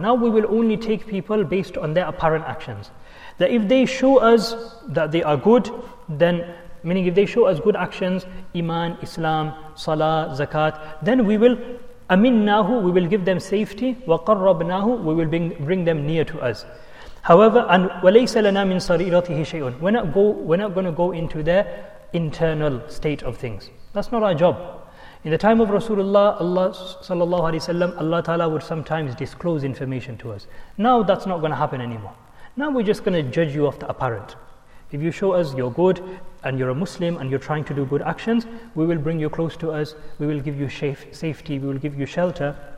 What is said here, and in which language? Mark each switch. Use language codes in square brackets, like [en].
[en] Now we will only take people based on their apparent actions. That if they show us that they are good, then, meaning if they show us good actions, Iman, Islam, Salah, Zakat, then we will [ar] أَمِنَّاهُ, [en] we will give them safety, [ar] وَقَرَّبْنَاهُ, [en] we will bring them near to us. However, and [ar] وَلَيْسَ لَنَا مِن صَرِيرَتِهِ شَيْءٌ. [en] We're not going to go into their internal state of things. That's not our job. In the time of Rasulullah, Allah sallallahu alayhi wa sallam, Allah Ta'ala would sometimes disclose information to us. Now that's not going to happen anymore. Now we're just going to judge you off the apparent. If you show us you're good and you're a Muslim and you're trying to do good actions, we will bring you close to us, we will give you safety, we will give you shelter.